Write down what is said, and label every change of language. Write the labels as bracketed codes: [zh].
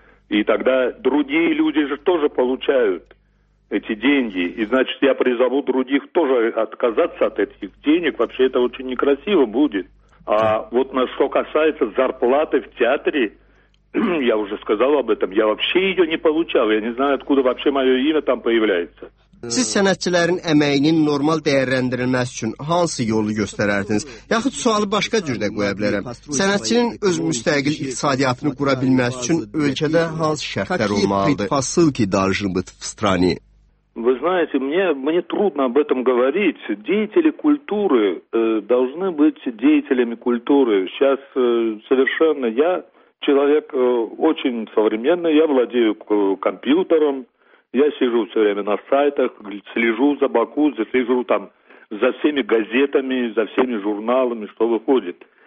[ru] И тогда другие люди же тоже получают эти деньги. И значит, я призову других тоже отказаться от этих денег. Вообще это очень некрасиво будет. А вот на что касается зарплаты в театре, я уже сказал об этом, я вообще ее не получал. Я не знаю, откуда вообще мое имя там появляется. [az] Siz sənətçilərin əməyinin normal dəyərləndirilməsi üçün hansı yolu göstərərdiniz? Yaxud sualı başqa cürdə qoya bilərəm. Sənətçinin öz müstəqil iqtisadiyyatını qura bilməsi üçün ölkədə hansı şərtlər olmalıdır? Fasıl ki, darjın bıt fıstrani. [ru] Вы знаете, мне трудно об этом говорить. Деятели культуры должны быть деятелями культуры. Сейчас совершенно я человек очень современный, я владею компьютером. Я сижу все время на сайтах, слежу за Баку, слежу там за всеми газетами, за всеми журналами, что выходит.